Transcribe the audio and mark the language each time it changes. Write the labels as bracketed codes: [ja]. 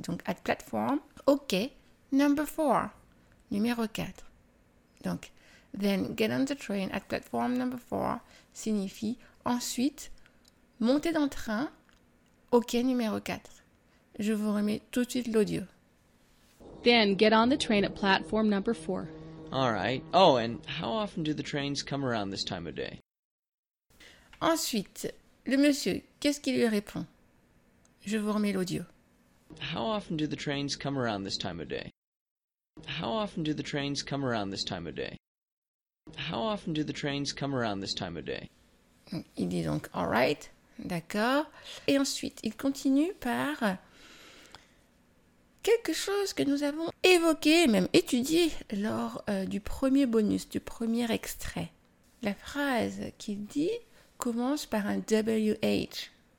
[fr] Donc [en] at platform, [fr] au quai, [en] number 4, [fr] numéro 4. Donc, [en] then get on the train at platform number 4 [fr] signifie ensuite, montez dans le train au quai numéro 4. Je vous remets tout de suite l'audio. [en] Then get on the train at platform number 4. All right. Oh, and how often do the trains come around this time of day? [fr] Ensuite, le monsieur, qu'est-ce qu'il lui répond? Je vous remets l'audio. [en] How often do the trains come around this time of day? How often do the trains come around this time of day? How often do the trains come around this time of day? [fr] Il dit donc « [en] all right [fr] », d'accord. Et ensuite, il continue par quelque chose que nous avons évoqué, même étudié lors du premier bonus, du premier extrait. La phrase qu'il dit commence par un WH.